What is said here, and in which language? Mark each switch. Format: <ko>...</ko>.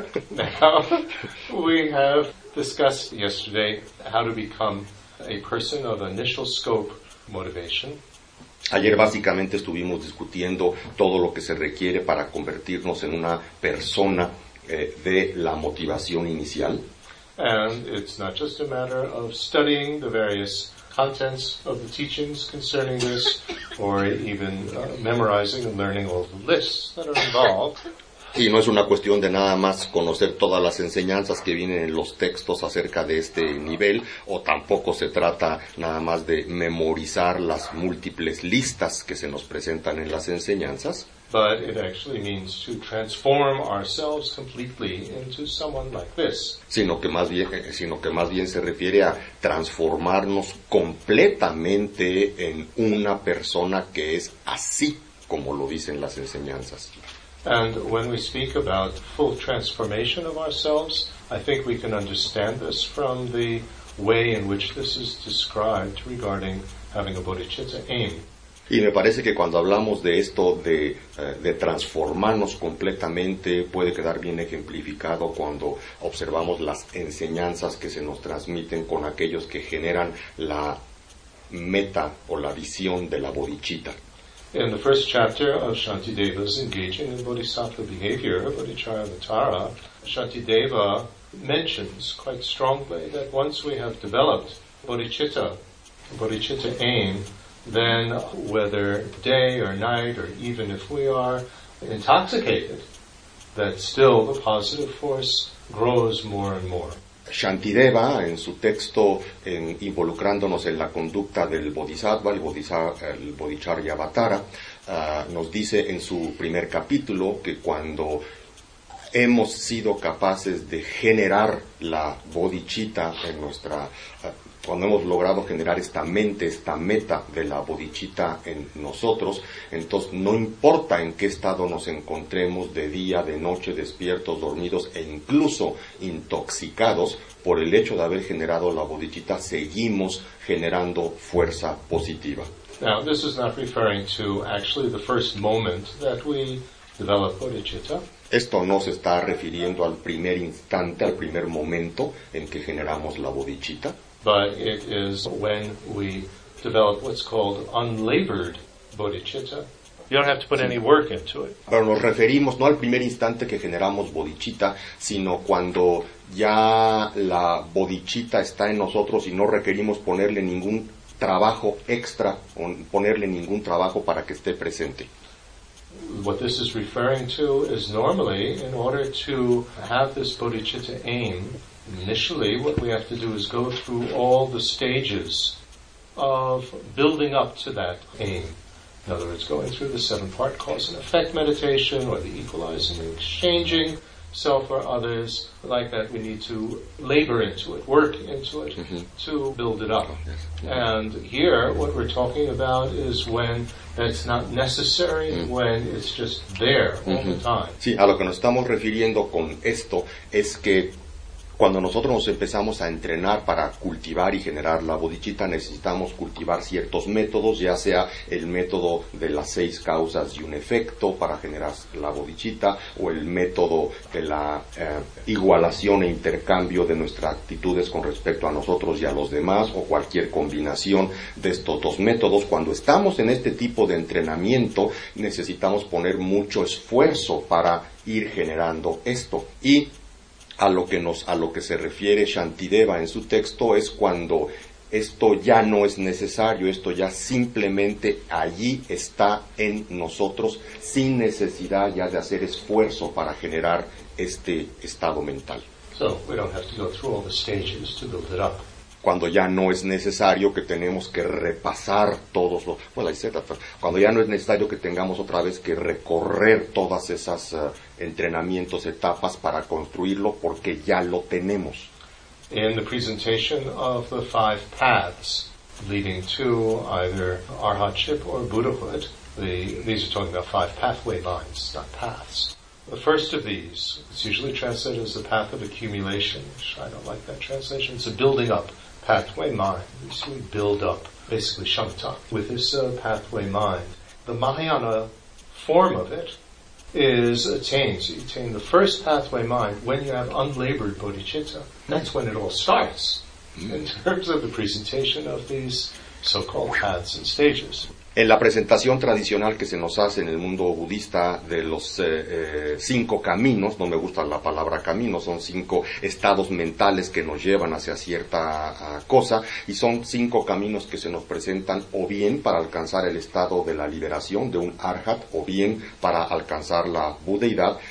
<en>Now, we have discussed yesterday how to become a person of initial scope motivation.</en> <es>Ayer básicamente estuvimos discutiendo todo lo que se requiere para convertirnos en una persona de la motivación inicial.</es> <en>And it's not just a matter of studying the various contents of the teachings concerning this, or even memorizing and learning all the lists that are involved.</en> <es>Y no es una cuestión de nada más conocer todas las enseñanzas que vienen en los textos acerca de este nivel, o tampoco se trata nada más de memorizar las múltiples listas que se nos presentan en las enseñanzas.</es> <en>But it actually means to transform ourselves completely into someone like this.</en> <es>Sino que más bien se refiere a transformarnos completamente en una persona que es así, como lo dicen las enseñanzas.</es> <en>And when we speak about full transformation of ourselves, I think we can understand this from the way in which this is described regarding having a bodhicitta aim.</en> <es>Y me parece que cuando hablamos de esto de transformarnos completamente puede quedar bien ejemplificado cuando observamos las enseñanzas que se nos transmiten con aquellos que generan la meta o la visión de la bodhicitta.</es> <en>In the first chapter of Shantideva's Engaging in Bodhisattva Behavior, Bodhicharyavatara, Shantideva mentions quite strongly that once we have developed bodhicitta aim, then whether day or night, or even if we are intoxicated, that still the positive force grows more and more.</en> <es>Shantideva, en su texto en involucrándonos en la conducta del bodhisattva, el bodhicharyavatara, nos dice en su primer capítulo que cuando hemos sido capaces de generar la bodhicitta en nuestra... cuando hemos logrado generar esta mente, esta meta de la bodhicitta en nosotros, entonces no importa en qué estado nos encontremos, de día, de noche, despiertos, dormidos e incluso intoxicados, por el hecho de haber generado la bodhicitta, seguimos generando fuerza positiva.</es> <en>Now, this is not referring to actually the first moment that we develop bodhicitta.</en> <es>Esto no se está refiriendo al primer instante, al primer momento en que generamos la bodhicitta.</es> <en>But it is when we develop what's called unlabored bodhicitta. You don't have to put any work into it.</en> <es>Pero nos referimos no al primer instante que generamos bodhicitta, sino cuando ya la bodhicitta está en nosotros y no requerimos ponerle ningún trabajo extra, ponerle ningún trabajo para que esté presente.</es> <en>What this is referring to is normally, in order to have this bodhicitta aim, initially, what we have to do is go through all the stages of building up to that aim. In other words, going through the seven-part cause and effect meditation, or the equalizing and exchanging self or others, like that, we need to labor into it, work into it, mm-hmm. to build it up. And here, what we're talking about is when that's not necessary, mm-hmm. when it's just there mm-hmm. all the time.</en> <es>Sí, a lo que nos estamos refiriendo con esto es que cuando nosotros nos empezamos a entrenar para cultivar y generar la bodhicitta, necesitamos cultivar ciertos métodos, ya sea el método de las seis causas y un efecto para generar la bodhicitta, o el método de la igualación e intercambio de nuestras actitudes con respecto a nosotros y a los demás, o cualquier combinación de estos dos métodos. Cuando estamos en este tipo de entrenamiento, necesitamos poner mucho esfuerzo para ir generando esto. Y a lo que se refiere Shantideva en su texto es cuando esto ya no es necesario, esto ya simplemente allí está en nosotros sin necesidad ya de hacer esfuerzo para generar este estado mental.</es> <en>So we don't have to go through all the stages to build it up.</en> <es>Cuando ya no es necesario que tenemos que repasar todos los cuando ya no es necesario que tengamos otra vez que recorrer todas esas entrenamientos, etapas para construirlo, porque ya lo tenemos.</es> <en>In the presentation of the five paths leading to either arhatship or Buddhahood, these are talking about five pathway lines, not paths. The first of these, it's usually translated as the path of accumulation, which I don't like that translation. It's a building up pathway mind. We build up, basically, shamatha with this pathway mind. The Mahayana form of it is attained. So you attain the first pathway mind when you have unlabored bodhicitta. That's when it all starts, in terms of the presentation of these so-called paths and stages.</en> <es>En la presentación tradicional que se nos hace en el mundo budista de los cinco caminos, no me gusta la palabra camino, son cinco estados mentales que nos llevan hacia cierta cosa, y son cinco caminos que se nos presentan o bien para alcanzar el estado de la liberación de un arhat, o bien para alcanzar la budeidad.</es>